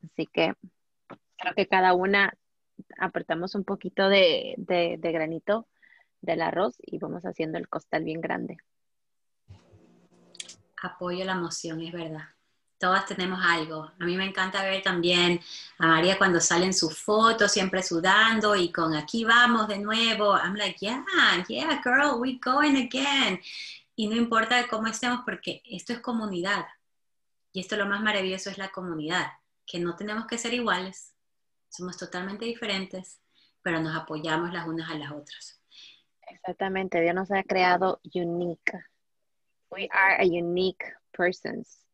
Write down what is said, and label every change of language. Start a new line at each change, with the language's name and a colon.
Spanish: Así que creo que cada una apretamos un poquito de granito del arroz y vamos haciendo el costal bien grande. Apoyo la moción, es verdad. Todas tenemos algo. A mí me encanta ver también a María cuando sale en su foto, siempre sudando y con aquí vamos de nuevo.
English: I'm like, yeah, girl, we going again.
Spanish: Y no importa cómo estemos porque esto es comunidad. Y esto lo más maravilloso es la comunidad, que no tenemos que ser iguales. Somos totalmente diferentes, pero nos apoyamos las unas a las otras. Exactamente. Dios nos ha creado
English: unique. We are a unique persons.